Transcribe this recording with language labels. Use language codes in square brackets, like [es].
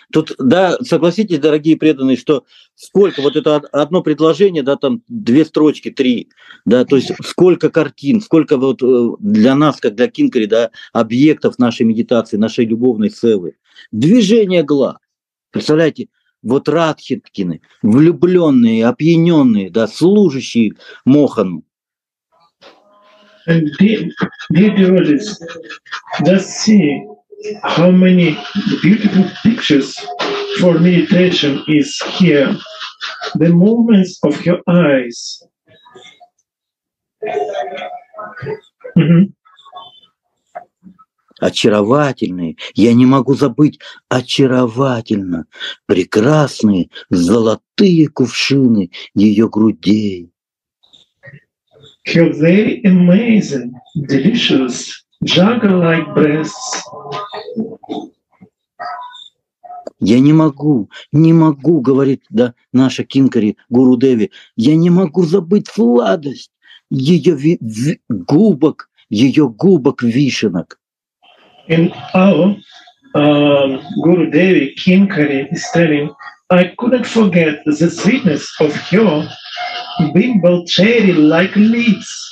[ru] Тут, да, согласитесь, дорогие преданные, что сколько, вот это одно предложение, да, там две строчки, три, да, то есть сколько картин, сколько вот для нас, как для Кинкари, да, объектов нашей медитации, нашей любовной севы. Движение глаз. Представляете, вот Радхиткины, влюбленные, опьяненные, да, служащие Мохану. [en] And dear devotees, just see how many beautiful pictures for meditation is here. The movements of your eyes. [ru] Очаровательные. Я не могу забыть. Очаровательно. Прекрасные золотые кувшины ее грудей. [en] Her very amazing, delicious, jug-like breasts. [ru] Я не могу, говорит, да, наша Кинкари, Гуру Деви, я не могу забыть сладость ее губок, ее губок вишенок. [en] And our Guru Devi, Kinkari, is telling, I couldn't forget the sweetness of your bimbal cherry like leaves.